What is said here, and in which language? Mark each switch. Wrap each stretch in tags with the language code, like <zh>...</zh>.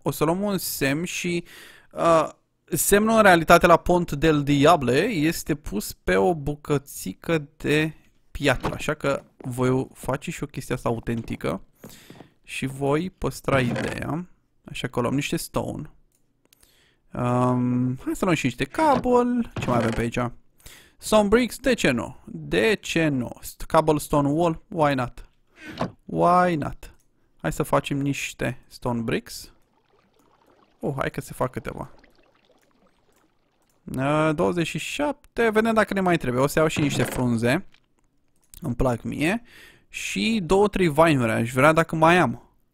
<ro>O să luăm un semn și semnul în realitate la Pont del Diable este pus pe o bucățică de piatră, așa că voi face și o chestie asta autentică și voi păstra ideea. Așa că luăm niște stone. Hai să luăm și niște cobble. Ce mai avem pe aici?</ro> <en>Some bricks,</en> <ro>de ce nu? De ce nu?</ro> <en>Cobblestone wall, why not? Why not?</en> <ro>Hai să facem niște stone bricks. Hai că se fac câteva. 27. Vedem dacă ne mai trebuie. O să iau și niște frunze. Îmi plac mie. Și 2-3 vineri. Aș vrea dacă mai am.</ro>